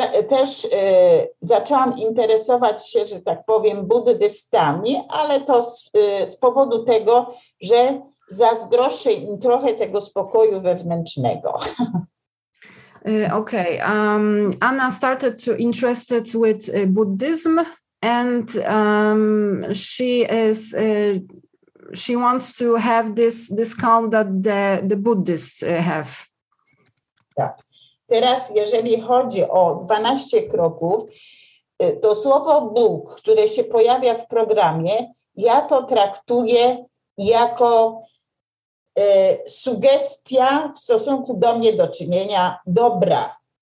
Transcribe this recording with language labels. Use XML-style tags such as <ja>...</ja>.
<pl>Też zaczęłam interesować się, że tak powiem, buddystami, ale to z powodu tego, że zazdroszczę im trochę tego spokoju wewnętrznego.</pl> <en>Okay, Anna started to interested with Buddhism, and she wants to have this calm that the Buddhists have.</en> <pl>Tak. Teraz, jeżeli chodzi o 12 kroków, to słowo Bóg, które się pojawia w programie, ja to traktuję jako sugestia w stosunku do mnie do czynienia dobra.</pl>